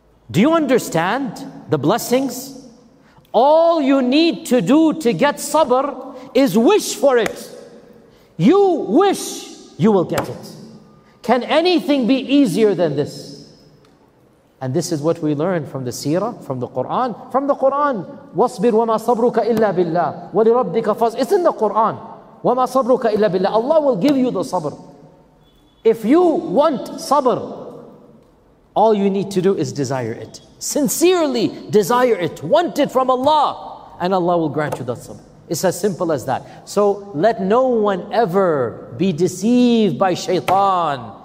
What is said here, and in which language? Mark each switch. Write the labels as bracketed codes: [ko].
[en] Do you understand the blessings? All you need to do to get sabr is wish for it. You wish, you will get it. Can anything be easier than this? And this is what we learn from the seerah, from the Quran. From the Quran, [ar] وَاصْبِرْ وَمَا صَبْرُكَ إِلَّا بِاللَّهِ وَلِرَبِّكَ فَاصْ. [en] It's in the Quran. [ar] وَمَا صَبْرُكَ إِلَّا بِاللَّهِ. [en] Allah will give you the sabr. If you want sabr, all you need to do is desire it. Sincerely desire it. Want it from Allah. And Allah will grant you that sabr. It's as simple as that. So let no one ever be deceived by shaitan.